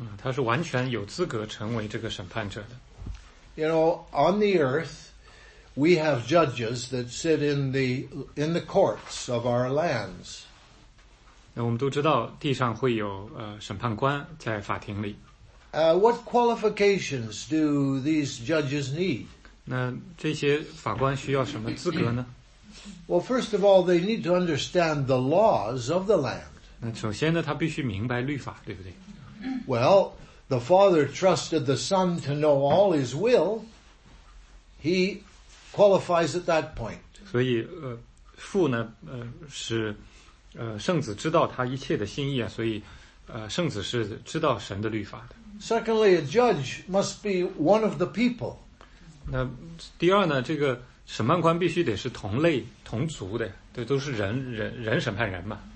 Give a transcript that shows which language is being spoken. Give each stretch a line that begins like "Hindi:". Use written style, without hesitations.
Chinese: 他是完全有资格成为这个审判者的。
English: You know, on the earth, we have judges that sit in the courts of our lands.
Chinese: 那我们都知道地上会有审判官在法庭里。
English: What qualifications do these judges need?
Chinese: 那这些法官需要什么资格呢？
English: Well, first of all, they need to understand the laws of the land.
Chinese: 那首先呢，他必须明白律法，对不对？
English: Well, the father trusted the son to know all his will. He qualifies at that point.
Chinese: 所以父呢使圣子知道他一切的心意啊，所以圣子是知道神的律法的。
English: Secondly, a judge must be one of the people.
Chinese: 那第二呢，这个审判官必须得是同类同族的，这都是人人人审判人嘛。